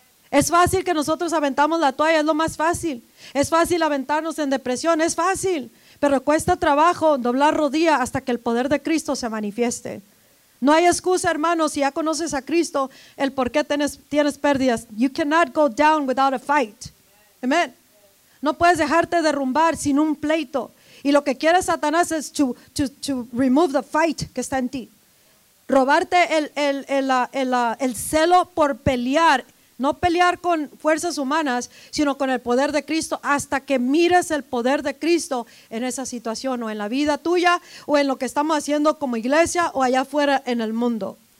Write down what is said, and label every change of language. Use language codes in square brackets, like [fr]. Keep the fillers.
[es] Es fácil que nosotros aventamos la toalla, es lo más fácil. Es fácil aventarnos en depresión, es fácil, pero cuesta trabajo doblar rodilla hasta que el poder de Cristo se manifieste. No hay excusa, hermano, si ya conoces a Cristo, el por qué tienes, tienes pérdidas. [en] You cannot go down without a fight. [es] Amén. No puedes dejarte derrumbar sin un pleito. Y lo que quiere Satanás es [en] to, to, to, remove the fight [es] que está en ti. Robarte el, el, el, el, celo por pelear. No pelear con fuerzas humanas, sino con el poder de Cristo hasta que mires el poder de Cristo en esa situación o en la vida tuya o en lo que estamos haciendo como iglesia o allá afuera en el mundo.